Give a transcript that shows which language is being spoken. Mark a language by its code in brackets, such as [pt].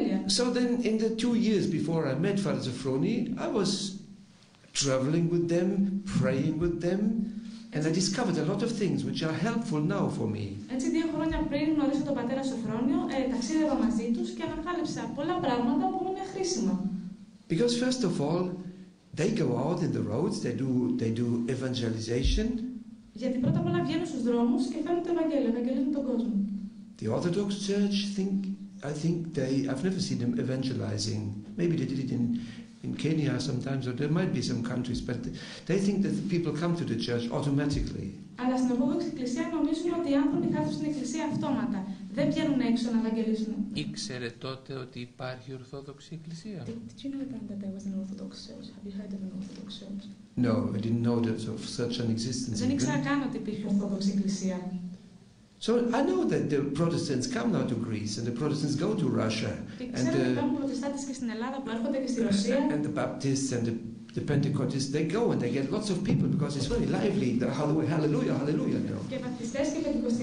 [en] So then, in the 2 years before I met Father Zaffroni, I was traveling with them, praying with them, and I discovered a lot of things which are helpful now for me. [el] Έτσι, 2 χρόνια πριν γνωρίσω τον πατέρα Σοφρόνιο, ταξίδευα μαζί τους και ανακάλυψα πολλά πράγματα που μου είναι χρήσιμα. [en] Because first of all, they go out in the roads, they do evangelization. [el] Γιατί πρώτα απ' όλα βγαίνουν στους δρόμους και φέρνουν το Ευαγγέλιο, ευαγγελίζουν τον κόσμο. [en] The Orthodox Church I've never seen them evangelizing. Maybe they did it in Kenya sometimes, or there might be some countries, but they think that the people come to the church automatically. [el] Αλλά στην Ορθόδοξη Εκκλησία νομίζουν ότι οι άνθρωποι κάθουν στην Εκκλησία αυτόματα. Δεν βγαίνουν έξω να ευαγγελίζουν. Ήξερε τότε ότι υπάρχει Ορθόδοξη Εκκλησία? [en] Did you know that there was an Orthodox Church? Have you heard of an Orthodox Church? No, I didn't know that of such an existence. [el] Δεν ήξερα καν ότι υπήρχε Ορθόδοξη Εκκλησία. [en] So I know that the Protestants come now to Greece and the Protestants go to Russia and the Baptists and the Pentecostists, they go and they get lots of people because it's very lively. Hallelujah, hallelujah. No.